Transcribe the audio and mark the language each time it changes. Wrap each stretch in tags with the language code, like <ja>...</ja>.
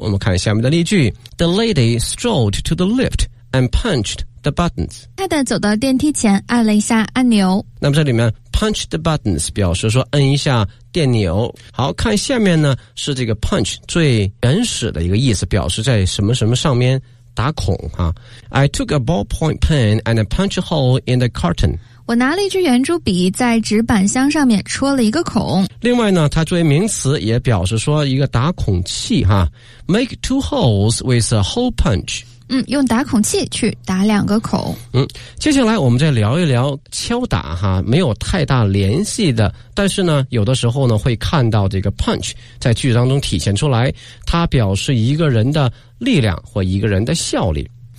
<zh>我们看下面的例句</zh> <en>：The lady strolled to the lift and punched the buttons。</en> <zh>太太走到电梯前按了一下按钮。那么这里面</zh> <en>punch the buttons</en> <zh>表示说摁一下电钮。好，看下面呢是这个 punch 最原始的一个意思，表示在什么什么上面打孔哈。</zh> <en>I took a ballpoint pen and a punch hole in the carton。</en> <zh>我拿了一支圆珠笔在纸板箱上面戳了一个孔。另外呢，它作为名词也表示说一个打孔器哈 ，</zh> <en>make two holes with a hole punch。</en> <zh>嗯，用打孔器去打两个孔。嗯，接下来我们再聊一聊敲打哈，没有太大联系的，但是呢，有的时候呢会看到这个 punch 在句当中体现出来，它表示一个人的力量或一个人的效力。</zh>